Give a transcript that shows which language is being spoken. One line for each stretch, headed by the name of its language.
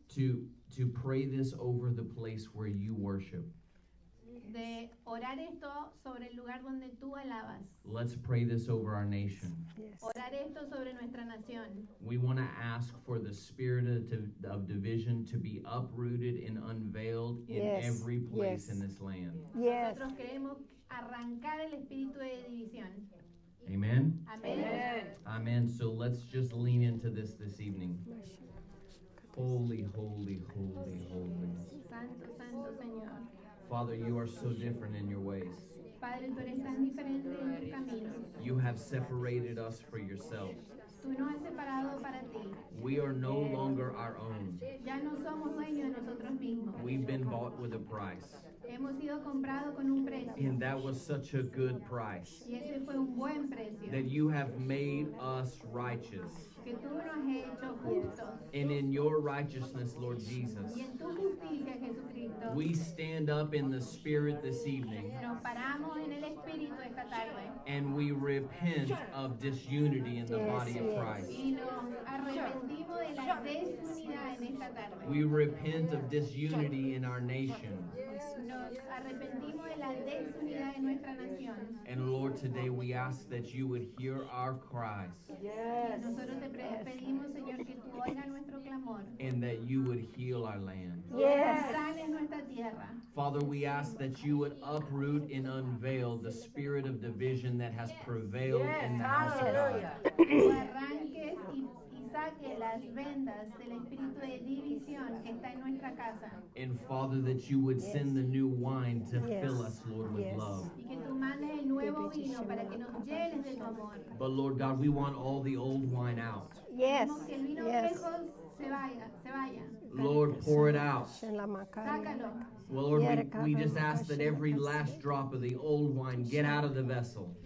English: to pray this over the place where you worship.
Spanish: De orar esto sobre el lugar donde tú alabas.
English: Let's pray this over our nation. Yes.
Spanish: Orar esto sobre nuestra nación.
English: We want to ask for the spirit of division to be uprooted and unveiled in every place in this land. Yes.
Spanish: Nosotros queremos arrancar el espíritu de división.
English: Amen? Amen. Amen. So let's just lean into this evening. Holy, holy, holy, holy.
Spanish: Santo, santo, Señor.
English: Father, you are so different in your ways.
Spanish: Padre, tú eres tan diferente en tus caminos.
English: You have separated us for yourself.
Spanish: Tú nos has separado para ti.
English: We are no longer our own.
Spanish: Ya no somos dueños de nosotros mismos.
English: We've been bought with a price.
Spanish: Hemos sido comprado con un precio.
English: And that was such a good price.
Spanish: Y ese fue un buen precio.
English: That you have made us righteous.
Spanish: Que tú nos has hecho justos.
English: And in your righteousness, Lord Jesus.
Spanish: Y en tu justicia, Jesucristo.
English: We stand up in the spirit this evening.
Spanish: Nos paramos en el espíritu esta tarde.
English: And we repent of disunity in the body of Christ.
Spanish: Y nos arrepentimos de la desunidad en esta tarde.
English: We repent of disunity in our nation.
Spanish: Nos arrepentimos de la desunidad en nuestra nación.
English: And Lord, today we ask that you would hear our cries. Yes.
Spanish: Nosotros te pedimos, Señor, que tú oigas nuestro clamor.
English: And that you would heal our land. Yes.
Spanish: Sane nuestra tierra.
English: Father, we ask that you would uproot and unveil the spirit of division that has prevailed in the house of God.
Spanish: Arranques y saques las vendas del espíritu de división que está en nuestra casa.
English: And Father, that you would send the new wine to fill us, Lord, with love.
Spanish: Y que tú mandes el nuevo vino para que nos llenes de tu amor.
English: But Lord God, we want all the old wine out. Yes.
Spanish: Queremos que el vino viejo se vaya.
English: Lord, pour it out.
Spanish: Sácalo.
English: Well, Lord, we just ask that every last drop of the old wine get out of the vessel.